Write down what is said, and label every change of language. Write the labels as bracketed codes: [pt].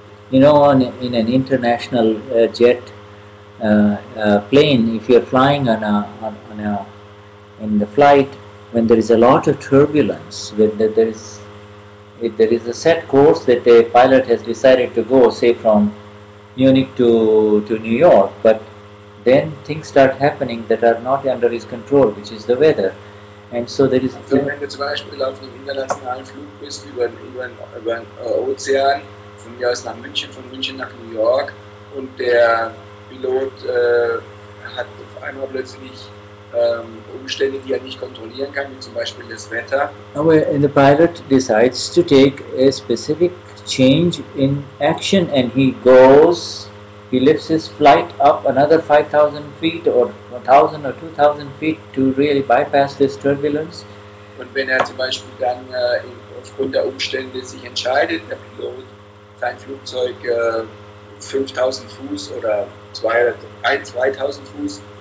[en] You know, in an international jet plane, if you're flying in the flight, when there is a lot of turbulence, if there is a set course that a pilot has decided to go, say from Munich to New York, but then things start happening that are not under his control, which is the weather. And so there is... [de] Also, wenn du zum Beispiel auf einem internationalen Flug bist, über einen Ozean, von mir aus nach München, von München nach New York, und der Pilot hat auf einmal plötzlich Umstände, die er nicht kontrollieren kann, wie zum Beispiel das Wetter. [en] And the pilot decides to take a specific change in action, and he goes, he lifts his flight up another 5,000 feet or 1,000 or 2,000 feet to really bypass this turbulence. [de] Und wenn er zum Beispiel dann aufgrund der Umstände sich entscheidet, der Pilot, sein Flugzeug 5,000 Fuß oder 2,000 Fuß